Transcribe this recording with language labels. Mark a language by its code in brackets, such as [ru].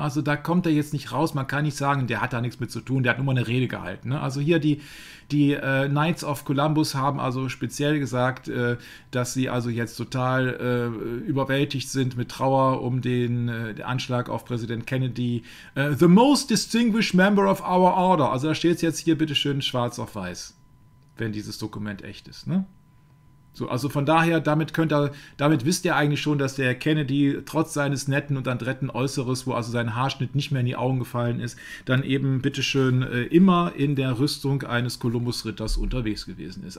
[de] Also da kommt er jetzt nicht raus. Man kann nicht sagen, der hat da nichts mit zu tun. Der hat nur mal eine Rede gehalten. Ne? Also hier die Knights of Columbus haben also speziell gesagt, dass sie also jetzt total überwältigt sind mit Trauer um den Anschlag auf Präsident Kennedy. [en] The most distinguished member of our order. [de] Also da steht es jetzt hier bitte schön schwarz auf weiß, wenn dieses Dokument echt ist. Ne? So, also von daher, damit wisst ihr eigentlich schon, dass der Kennedy trotz seines netten und adretten Äußeres, wo also sein Haarschnitt nicht mehr in die Augen gefallen ist, dann eben bitteschön immer in der Rüstung eines Kolumbus-Ritters unterwegs gewesen ist.